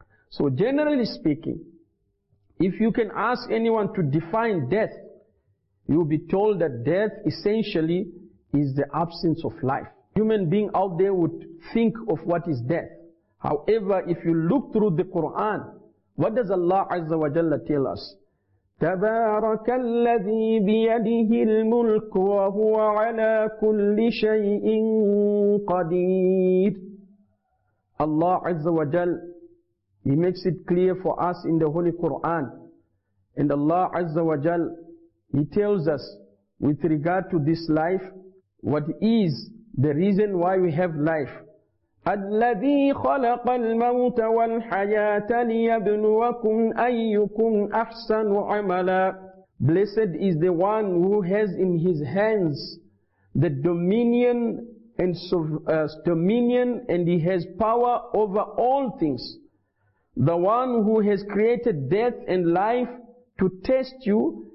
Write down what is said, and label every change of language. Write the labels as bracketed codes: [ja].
[en] So generally speaking, if you can ask anyone to define death, you'll be told that death essentially is the absence of life. Human being out there would think of what is death. However, if you look through the Quran, what does Allah Azza wa Jalla tell us? [ar] تبارك الذي بيده الملك وهو على كل شيء قدير. [en] Allah Azza wa Jal, He makes it clear for us in the Holy Quran. And Allah Azza wa Jal, He tells us with regard to this life, what is the reason why we have life. [ar] الذي خلق الموت والحياة ليبلوكم أيكم أحسن عملا. [en] Blessed is the one who has in his hands the dominion and dominion, and he has power over all things. The one who has created death and life to test you.